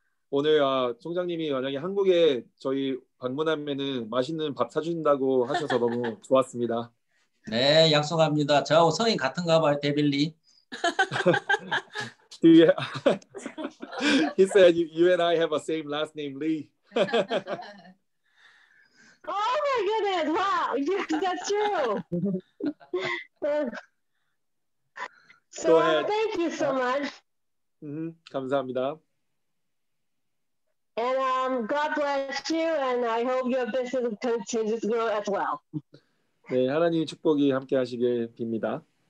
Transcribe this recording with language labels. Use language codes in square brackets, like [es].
[ko] 오늘 총장님이 만약에 한국에 저희 방문하면은 맛있는 밥 사주신다고 하셔서 너무 좋았습니다. 네, 약속합니다. 저하고 성인 같은가 봐요, 데빌리. [en] He said you and I have a same last name, Lee. Oh my goodness, wow, yeah, that's true. So, thank you so much. [ko] 감사합니다. [en] And God bless you, and I hope your business continues to grow as well. [ko] 네, 하나님 축복이 함께 하시길 빕니다.